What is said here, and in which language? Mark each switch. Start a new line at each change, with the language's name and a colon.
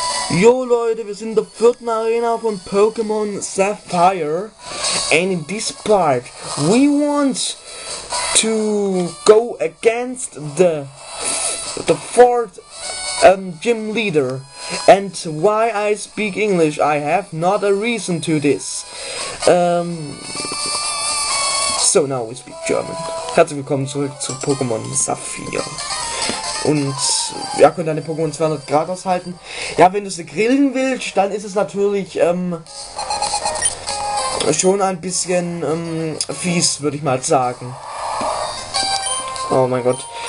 German: Jo Leute, wir sind in der vierten Arena von Pokémon Sapphire.
English: And in this part, we want to go against the fourth gym leader. And why I speak English, I have not a reason to this. So now we speak German.
German: Herzlich willkommen zurück zu Pokémon Sapphire. Und ja, könnt deine Pokémon 200 Grad aushalten. Ja, wenn du sie grillen willst, dann ist es natürlich schon ein bisschen fies, würde ich mal sagen. Oh mein Gott.